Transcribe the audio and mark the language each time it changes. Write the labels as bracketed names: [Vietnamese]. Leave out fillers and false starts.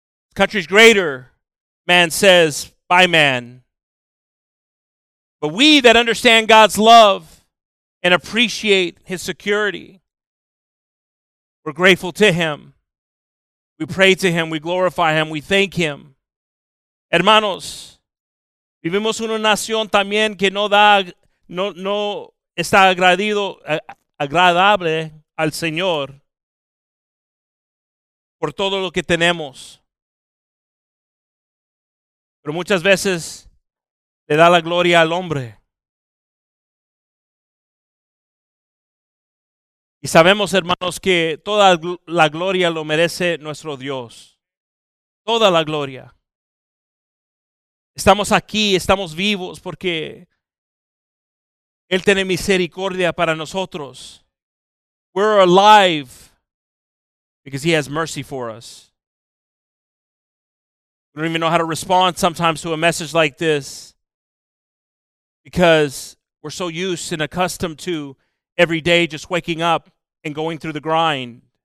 [English] The country's greater, man says, by man. But we that understand God's love and appreciate his security, we're grateful to him. We pray to him. We glorify him. We thank him. [Spanish] Hermanos, vivimos una nación también que no da, no está agradable al Señor por todo lo que tenemos. Pero muchas veces le da la gloria al hombre. Y Y sabemos, hermanos, que toda la gloria lo merece nuestro Dios. Toda la gloria. Estamos aquí, estamos vivos porque Él tiene misericordia para nosotros. [English] We're alive because He has mercy for us. We don't even know how to respond sometimes to a message like this because we're so used and accustomed to every day just waking up and going through the grind.